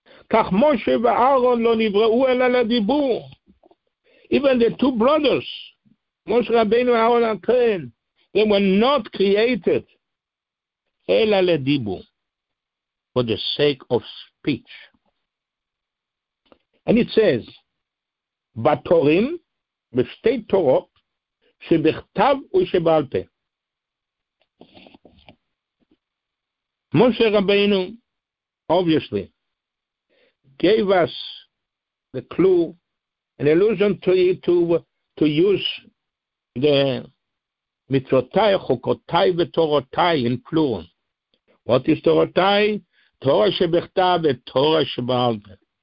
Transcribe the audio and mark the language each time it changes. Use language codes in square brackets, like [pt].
[he] Kach Moshe ve'Aaron lo nivra'u ela ledibur. [en] Even the two brothers, Moshe Rabbeinu Aaron and Kohen, they were not created [he] ela ledibur, [en] for the sake of speech. And it says, Batorim, [he] בשתי תורות שבכתב ושבעל פה. [en] משה רבינו, obviously, gave us the clue, an allusion to use the [he] מצוותי, חוקותי ותורותי [en] in plural. What is תורותי? [he] תורה שבכתב ותורה שבעל פה.